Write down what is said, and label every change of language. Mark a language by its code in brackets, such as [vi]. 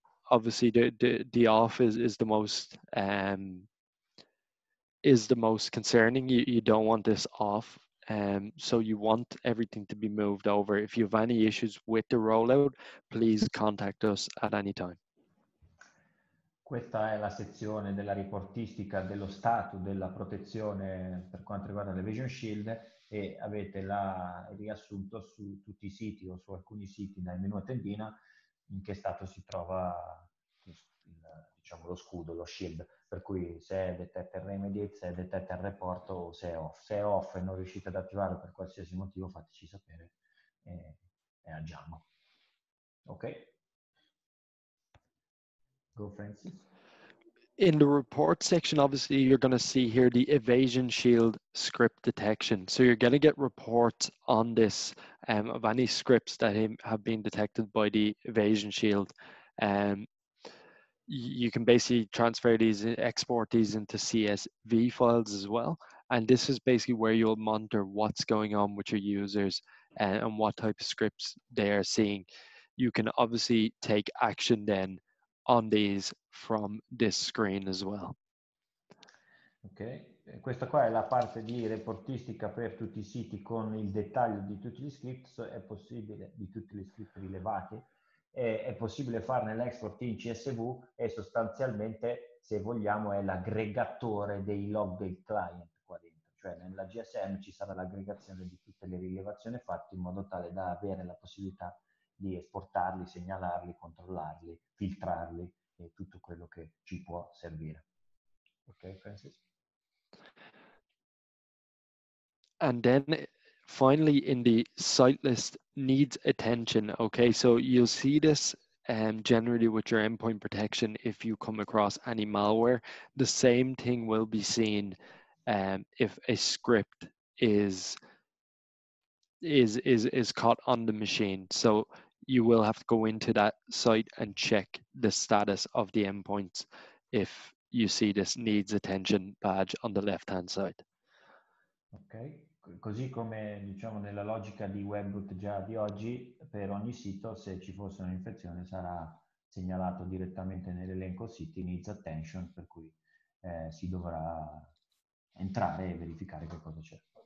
[en] obviously the off is the most is the most concerning. You don't want this off, so you want everything to be moved over. If you have any issues with the rollout, please contact us at any time. [it] Questa è la sezione della reportistica dello stato della protezione per quanto riguarda le Evasion Shield, e avete la riassunto su tutti I siti o su alcuni siti dal menu a tendina in che stato si trova il, diciamo, lo scudo, lo shield, per cui se è detected remediate, se è detected report o se è off. Se è off e non riuscite ad attivarlo per qualsiasi motivo, fateci sapere e agiamo. Ok? [en] Go, Francis. In the report section, obviously, you're going to see here the evasion shield script detection. So you're going to get reports on this of any scripts that have been detected by the evasion shield. You can basically transfer these, export these into CSV files as well. And this is basically where you'll monitor what's going on with your users and what type of scripts they are seeing. You can obviously take action then on these from this screen as well. [it] Ok, questa qua è la parte di reportistica per tutti I siti con il dettaglio di tutti gli script, è possibile, di tutti gli script rilevati, è possibile farne l'export in CSV e sostanzialmente, se vogliamo, è l'aggregatore dei log del client qua dentro, cioè nella GSM ci sarà l'aggregazione di tutte le rilevazioni fatte in modo tale da avere la possibilità di esportarli, segnalarli, controllarli, filtrarli e tutto quello che ci può servire. Ok, Francis? [en] And then, finally, in the site list needs attention, okay? So you'll see this generally with your endpoint protection if you come across any malware. The same thing will be seen if a script is caught on the machine. So you will have to go into that site and check the status of the endpoints if you see this needs attention badge on the left-hand side. [it] Ok, così come diciamo nella logica di Webroot già di oggi, per ogni sito, se ci fosse un'infezione, sarà segnalato direttamente nell'elenco siti needs attention, per cui si dovrà entrare e verificare che cosa c'è.